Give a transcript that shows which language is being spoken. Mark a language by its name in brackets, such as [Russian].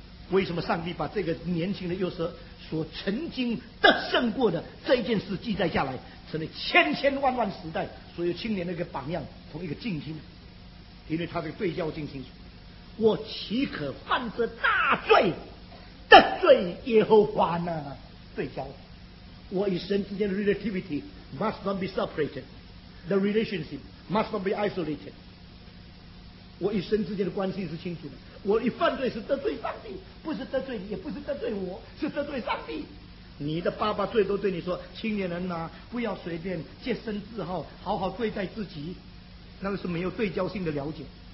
[Chinese] 为什么上帝把这个年轻的约瑟所曾经得胜过的这件事记载下来，成了千千万万时代所有青年的一个榜样，同一个镜心？因为他这个对焦性清楚，我岂可犯这大罪，得罪耶和华呢？对焦，我与神之间的 [English] relativity must not be separated, the relationship must not be isolated。 [Chinese] 我与神之间的关系是清楚的。我一犯罪是得罪上帝，不是得罪你，也不是得罪我，是得罪上帝。你的爸爸最多对你说，青年人啊，不要随便借身自好，好好对待自己，那个是没有对焦性的了解。